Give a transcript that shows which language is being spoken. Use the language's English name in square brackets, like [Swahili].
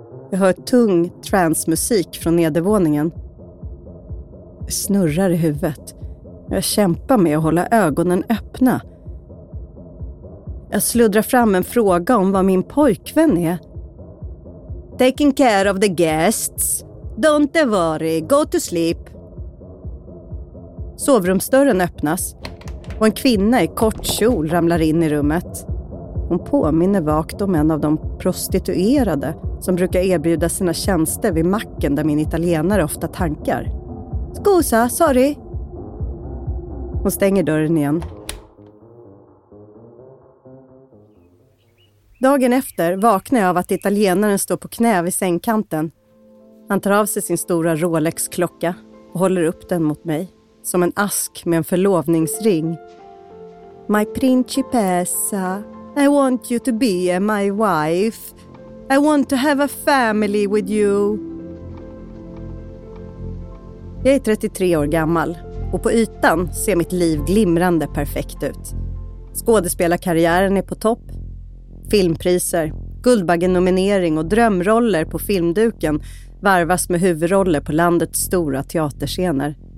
[Swedish] Jag hör tung transmusik från nedervåningen. Jag snurrar i huvudet. Jag kämpar med att hålla ögonen öppna. Jag sluddrar fram en fråga om vad min pojkvän är. [English] Taking care of the guests. Don't worry. Go to sleep. [Swedish] Sovrumsdörren öppnas och en kvinna i kort kjol ramlar in i rummet. Hon påminner vakt om en av de prostituerade som brukar erbjuda sina tjänster vid macken där min italienare ofta tankar. [Italian] Scusa, [English] sorry. [Swedish] Hon stänger dörren igen. Dagen efter vaknar jag av att italienaren står på knä vid sängkanten. Han tar av sig sin stora Rolex-klocka och håller upp den mot mig. Som en ask med en förlovningsring. [English] My principessa. I want you to be my wife. I want to have a family with you. [Swedish] Jag är 33 år gammal och på ytan ser mitt liv glimrande perfekt ut. Skådespelarkarriären är på topp. Filmpriser, Guldbaggenominering och drömroller på filmduken varvas med huvudroller på landets stora teaterscener.